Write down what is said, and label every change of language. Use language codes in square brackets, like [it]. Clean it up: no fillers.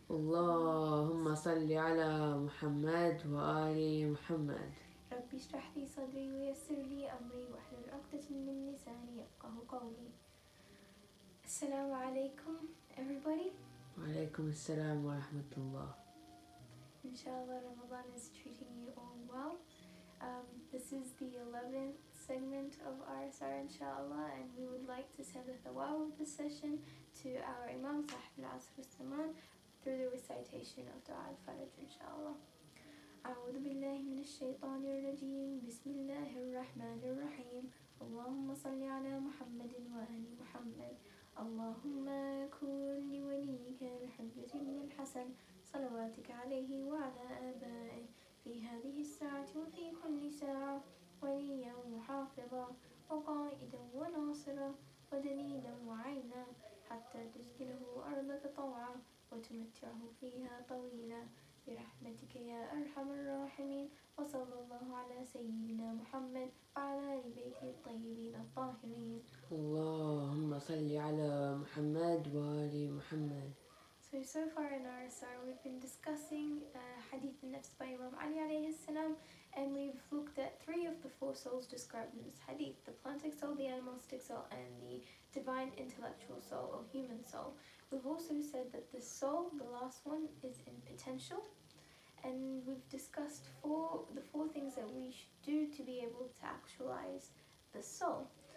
[ar] اللهم صل على محمد وآل محمد. ربي اشرح لي صدري ويسر لي أمري واحلل عقدة من لساني يفقه قولي. السلام عليكم [en] everybody. [ar] وعليكم السلام ورحمة الله. [en] Inshallah, Ramadan is treating you all well. This is the 11th segment of RSR, inshallah, and we would like to send a thawab of the session to our Imam Sahib al-Asr al-Saman through the recitation of Dua al-Faraj, inshallah. [ar] أعوذ بالله من الشيطان الرجيم. بسم الله الرحمن الرحيم. اللهم صل على محمد وآل محمد. اللهم كن لوليك بحجة ابن الحسن صلواتك عليه وعلى آبائه في هذه الساعة وفي كل ساعة، وليا وحافظا وقائدا وناصرا ودليلا وعينا، حتى تسكنه أرضك طوعا وتمتعه فيها طويلا برحمتك يا أرحم الراحمين. وصلى الله على سيدنا محمد وعلى آل بيته الطيبين الطاهرين. اللهم صل على محمد وآل محمد. [en] So far in RSR, we've been discussing Hadith al-Nafs by Imam Ali alayhi salam, and we've looked at three of the four souls described in this Hadith: the plantic soul, the animalistic soul, and the divine intellectual soul or human soul. We've also said that the soul, the last one, is in potential, and we've discussed the four things that we should do to be able to actualize the soul.